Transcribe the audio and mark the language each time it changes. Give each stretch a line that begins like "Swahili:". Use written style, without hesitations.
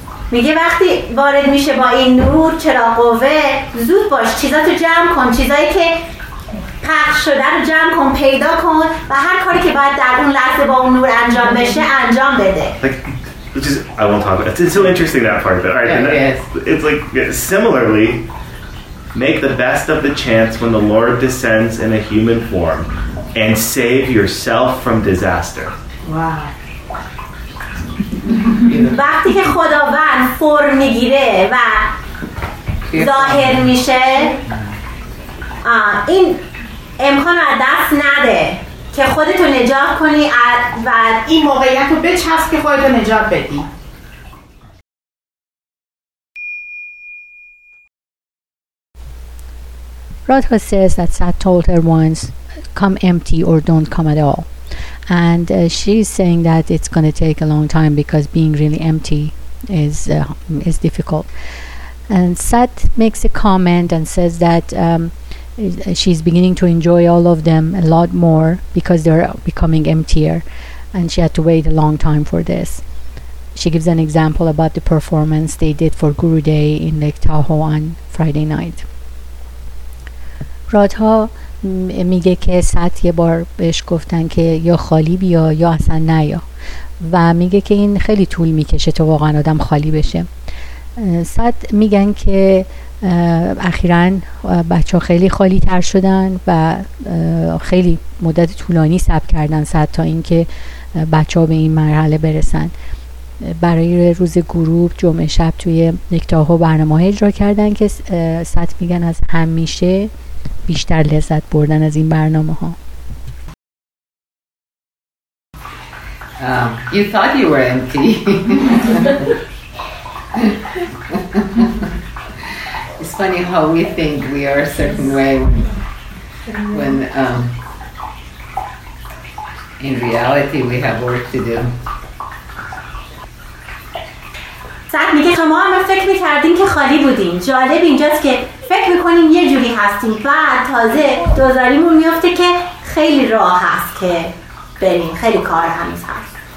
Persian: میگه وقتی وارد میشه با این نور چراغ قوه، زود باش چیزاتو جمع کن، چیزایی که پخش شده رو جمع کن، پیدا کن و هر کاری که باید در اون لحظه با اون نور انجام بشه انجام بده.
English: Like, which is, I won't talk about it. It's so interesting that part of it. Right, it's like, similarly, make the best of the chance when the Lord descends in a human form and save yourself from disaster. Wow.
Persian: وقتی که خداوند فرم میگیره و ظاهر میشه، این امکان رو دست نده که خودتو نجات کنی و این موقعیت رو بچسب که خودتو نجات بدی.
English: Radha says that Sat told her once, come empty or don't come at all. And she's saying that it's going to take a long time because being really empty is difficult. And Sat makes a comment and says that she's beginning to enjoy all of them a lot more because they're becoming emptier, and she had to wait a long time for this. She gives an example about the performance they did for Guru Day in Lake Tahoe on Friday night.
Persian: Radha میگه که سات یه بار بهش گفتن که یا خالی بیا یا اصلا نیا، و میگه که این خیلی طول میکشه تا واقعا آدم خالی بشه. سات میگن که اخیراً بچه ها خیلی خالی تر شدن و خیلی مدت طولانی صبر کردن سات تا اینکه بچه ها به این مرحله برسن. برای روز گروه جمعه شب توی نکتاها برنامه های اجرا کردن که سات میگن از همیشه بیشتر لذت بردن از این برنامه ها.
English: You thought you were empty. It's funny how we think we are a certain way when in reality we have work to do.
Persian: سعد میگه شما هم فکر میکردین که خالی بودین. جالب اینجاست که فکر میکنیم یه جوری هستیم، بعد تازه دوزاریمون میفته که خیلی راه هست که بریم، خیلی کار هنوز هست.